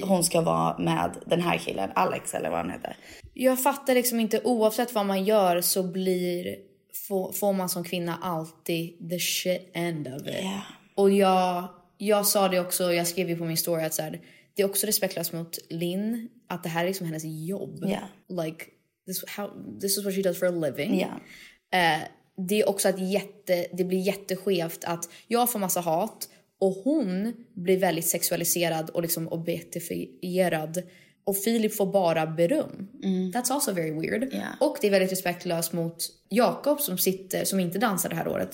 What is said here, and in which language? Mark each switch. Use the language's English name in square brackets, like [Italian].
[Swedish] Hon ska vara med den här killen, Alex eller vad han heter. Jag fattar liksom inte, oavsett vad man gör så blir, får man som kvinna alltid [English] the shit end of it. Yeah. [Swedish] Och jag sa det också, jag skrev ju på min story att så här, det är också respektlöst mot Lin att det här är liksom hennes jobb. [English] Yeah. Like, this is what she does for a living. Yeah. [Swedish] Det är också att det blir jätteskevt att jag får massa hat. Och hon blir väldigt sexualiserad och liksom objektifierad. Och Filip får bara beröm. Mm. [English] That's also very weird. Yeah. [Swedish] Och det är väldigt respektlöst mot Jakob som inte dansar det här året.